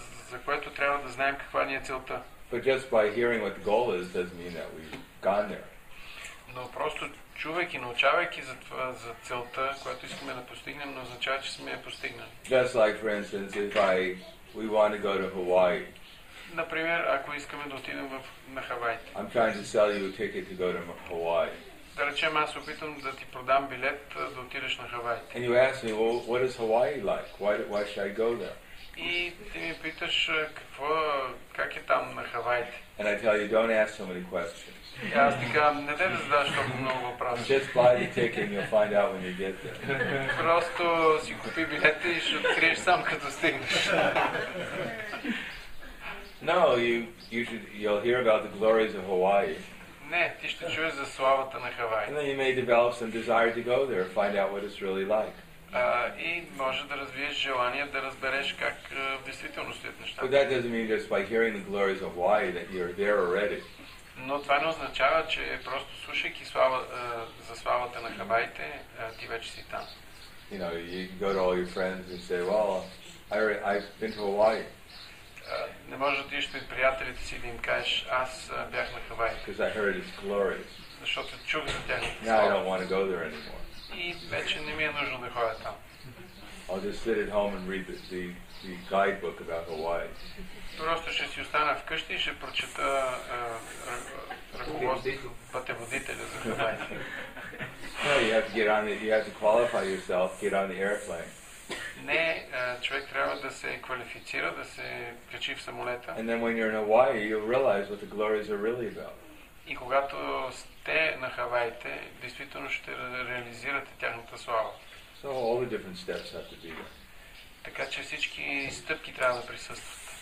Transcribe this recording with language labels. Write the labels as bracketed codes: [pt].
[bg] За което трябва да знаем каква ни е целта. [en] But just by hearing what the goal is doesn't mean that we've gone there. [bg] Но просто чувайки, научавайки за това, за целта, която искаме да постигнем, не означава, че сме я постигнали. [en] Just like, for instance, if we want to go to Hawaii. [bg] Например, ако искаме да отидем на Хавайите. [en] I'm trying to sell you a ticket to go to Hawaii. [bg] Да речем, аз опитам да ти продам билет да отидеш на Хавайите. [en] And you ask me, well, what is Hawaii like? Why should I go there? [bg] И ти ми питаш, как е там на Хавайите. [en] And I tell you, don't ask so many questions. [bg] Аз ти казвам, не дай да задаваш толкова много въпроси. [en] Just buy the ticket and you'll find out when you get there. [bg] Просто си купи билета и ще откриеш сам като стигнеш. [en] No, you'll hear about the glories of Hawaii. [bg] Не, ти ще чуеш за славата на Хавай. [en] And then you may develop some desire to go there and find out what it's really like. [bg] И може да развиеш желание да разбереш как в действителност стоят нещата. [en] But that doesn't mean just by hearing the glories of Hawaii that you're there already. [bg] Но това не означава, че просто слушайки за славата на Хавайите, ти вече си там. [en] You know, you go to all your friends and say, well, I've been to Hawaii. [bg] Не можеш да отидеш при приятелите си да им кажеш, аз бях на Хавайите. [en] Because I heard it's glorious. [bg] Защото чух за тях. [en] Now I don't want to go there anymore. [bg] И вече не ми е нужно да ходя там. [en] I'll just sit at home and read the guidebook about Hawaii. [bg] Просто ще си остана вкъщи и ще прочета ръководство пътеводителя за Хавай. [en] You have to get on the, you have to qualify yourself, get on the airplane. [bg] Не, човек трябва да се квалифицира, да се качи в самолета. [en] And then when you're in Hawaii, you realize what the glories are really about. [bg] И когато сте на Хавайите, действително ще реализирате тяхната слава. [en] So all the different steps have to be there. [bg] Така че всички стъпки трябва да присъстват.